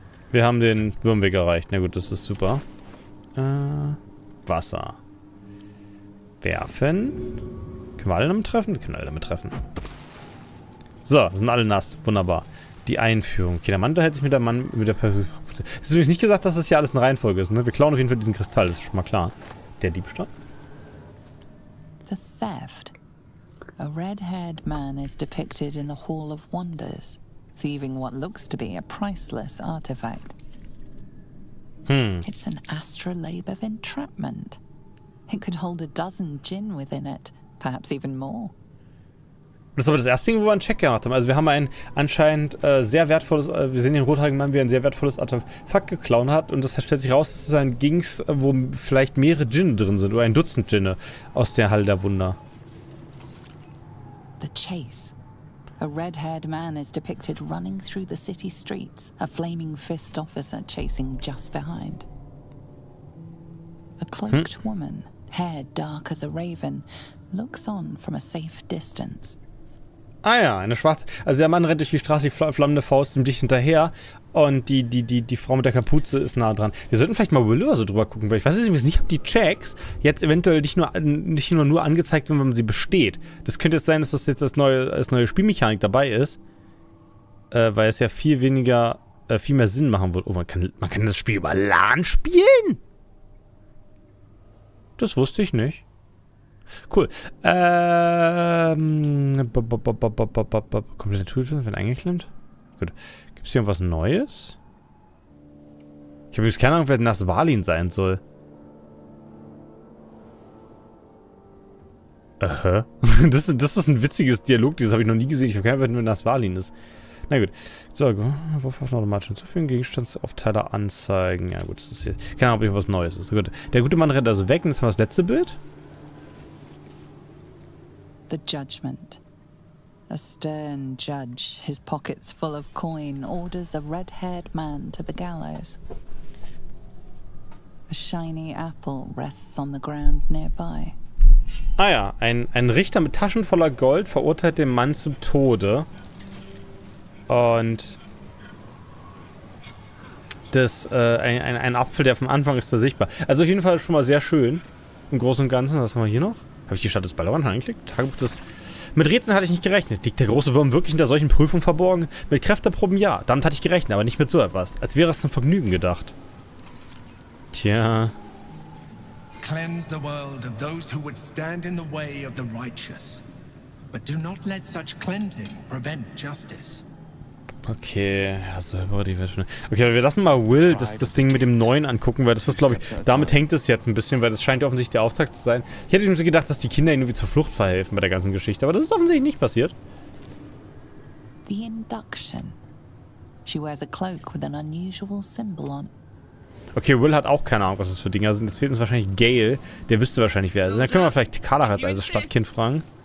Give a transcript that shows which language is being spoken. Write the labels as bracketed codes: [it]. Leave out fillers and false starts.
[de] Wir haben den Würmweg erreicht. Na gut, das ist super. Wasser. Werfen. Können wir alle damit treffen? Wir können alle damit treffen. So, sind alle nass. Wunderbar. Die Einführung. Okay, der Mann unterhält sich mit der Mann... mit der. Es ist übrigens nicht gesagt, dass das hier alles in Reihenfolge ist, ne? Wir klauen auf jeden Fall diesen Kristall, das ist schon mal klar. Der Diebstahl. [en] The theft. A red-haired man is depicted in the Hall of Wonders, thieving what looks to be a priceless artifact. It's an astrolabe of entrapment. It could hold a dozen djinn within it, perhaps even more. [de] Das ist aber das erste Ding, wo wir einen Check gemacht haben. Also wir haben ein anscheinend sehr wertvolles, wir sehen den rothaarigen Mann, wie er ein sehr wertvolles Artefakt geklaut hat. Und das stellt sich raus, dass es ein Gings, wo vielleicht mehrere Djinn drin sind oder ein Dutzend Djinn aus der Halle der Wunder. [en] The chase. A red-haired man is depicted running through the city streets, a flaming fist officer chasing just behind. A cloaked woman, hair dark as a raven, looks on from a safe distance. [de] Ah ja, eine schwarze. Also der Mann rennt durch die Straße, die flammende Faust nimmt dich hinterher und die Frau mit der Kapuze ist nah dran. Wir sollten vielleicht mal Willow so drüber gucken, weil ich weiß jetzt nicht, ob die Checks jetzt eventuell nicht nur angezeigt werden, wenn man sie besteht. Das könnte jetzt sein, dass das jetzt das neue Spielmechanik dabei ist, weil es ja viel mehr Sinn machen wird. Oh, man kann das Spiel über LAN spielen? Das wusste ich nicht. Cool. Komplette Tools werden eingeklemmt. Gut. Gibt es hier irgendwas Neues? Ich habe übrigens keine Ahnung, wer Nasvalin sein soll. Aha. Das ist ein witziges Dialog. Dieses habe ich noch nie gesehen. Ich habe keine Ahnung, wer Nasvalin ist. Na gut. So, Wurfwaffen automatisch hinzufügen. Gegenstandsaufteile anzeigen. Ja, gut. Das ist jetzt. Keine Ahnung, ob hier was Neues ist. Gut. Der gute Mann rennt also weg. Und das war das letzte Bild. [en] The judgment. A stern judge, his pockets full of coin, orders a red-haired man to the gallows. A shiny apple rests on the ground nearby. [de] Ah ja, ein Richter mit Taschen voller Gold verurteilt den Mann zum Tode. Und das ein Apfel, der vom Anfang ist, da sichtbar. Also auf jeden Fall schon mal sehr schön. Im Großen und Ganzen, was haben wir hier noch? Habe ich die Stadt des Ballermann angeklickt? Tagebuch des. Mit Rätseln hatte ich nicht gerechnet. Liegt der große Wurm wirklich hinter solchen Prüfungen verborgen? Mit Kräfteproben ja. Damit hatte ich gerechnet, aber nicht mit so etwas. Als wäre es zum Vergnügen gedacht. Tja. [en] Cleanse the world of those who would stand in the way of the righteous. But do not let such cleansing prevent justice. [de] Okay, also die Welt. Okay, wir lassen mal Will das Ding mit dem Neuen angucken, weil das ist, glaube ich, damit hängt es jetzt ein bisschen, weil das scheint ja offensichtlich der Auftakt zu sein. Ich hätte mir gedacht, dass die Kinder ihnen irgendwie zur Flucht verhelfen bei der ganzen Geschichte, aber das ist offensichtlich nicht passiert. [en] The induction. She wears a cloak with an unusual symbol on. [de] Okay, Will hat auch keine Ahnung, was das für Dinger sind. Jetzt fehlt uns wahrscheinlich Gale. Der wüsste wahrscheinlich, wer er ist. Dann können wir vielleicht Kala als also Stadtkind fragen.